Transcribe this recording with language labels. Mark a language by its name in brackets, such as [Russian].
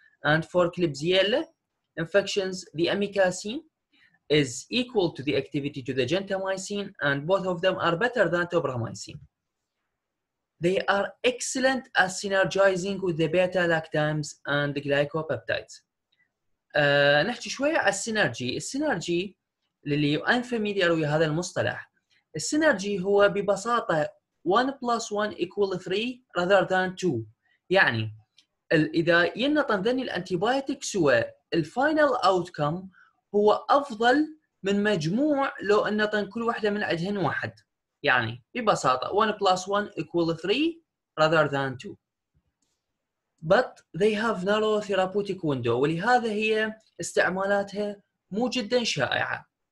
[English] And for Klebsiella infections, the amikacin is equal to the activity to the gentamicin, and both of them are better than tobramycin. They are excellent at synergizing with the beta lactams and the glycopeptides. [Arabic] نحكي شوية على السينرجي. السينرجي للي [English] unfamiliar with [Arabic] هذا المصطلح. السينرجي هو ببساطة [English] 1 plus 1 equal 3 rather than 2. [Arabic] يعني إذا ينطن ذني الأنتيبايتك سوى الفاينل أوتكم هو أفضل من مجموع لو أنطن كل واحدة من عدهن واحد. يعني ببساطة [English] 1 plus 1 equal 3 rather than 2. But they have narrow therapeutic window [Arabic] ولهذا هي استعمالاتها مو جدا شائعة.